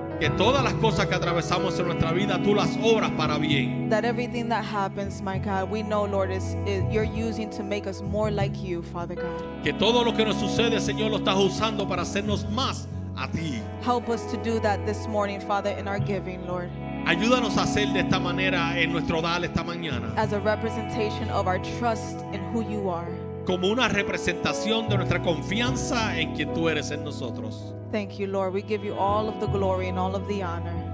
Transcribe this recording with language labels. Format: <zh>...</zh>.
<es>Que todas las cosas que atravesamos en nuestra vida, tú las obras para bien.</es> <en>That everything that happens, my God, we know, Lord, is you're using to make us more like you, Father God.</en> <es>Que todo lo que nos sucede, Señor, lo estás usando para hacernos más a ti.</es> <en>Help us to do that this morning, Father, in our giving, Lord.</en> <es>Ayúdanos a hacer de esta manera en nuestro dal esta mañana.</es> <en>As a representation of our trust in who you are.</en> <es>Como una representación de nuestra confianza en quien tú eres en nosotros.</es> <en>Thank you, Lord. We give you all of the glory and all of the honor.</en>